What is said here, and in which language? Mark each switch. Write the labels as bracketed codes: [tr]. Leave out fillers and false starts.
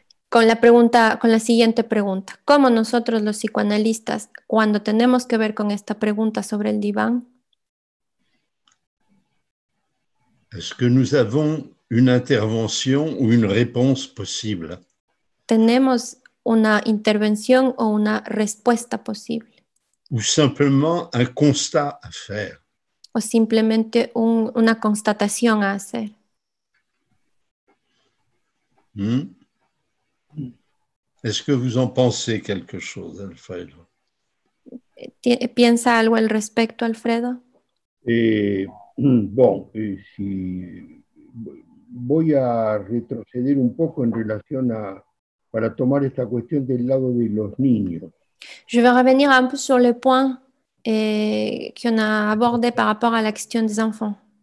[es] Con la siguiente pregunta. ¿Cómo nosotros los psicoanalistas, cuando tenemos que ver con esta pregunta sobre el diván? [fr] ¿Est-ce que nous avons une intervention ou une réponse possible? [es] ¿Tenemos una intervención o una respuesta posible? [fr] ¿Ou simplement un constat à faire? [es] ¿O simplemente una constatación a hacer? [fr] Est-ce que vous en pensez quelque chose, Alfredo? [es] ¿Piensa algo al respecto, Alfredo? Si voy a retroceder un poco en relación a para tomar esta cuestión del lado de los niños. [fr] Je vais revenir un peu sur le point et qu'on a abordé par rapport à la question des enfants.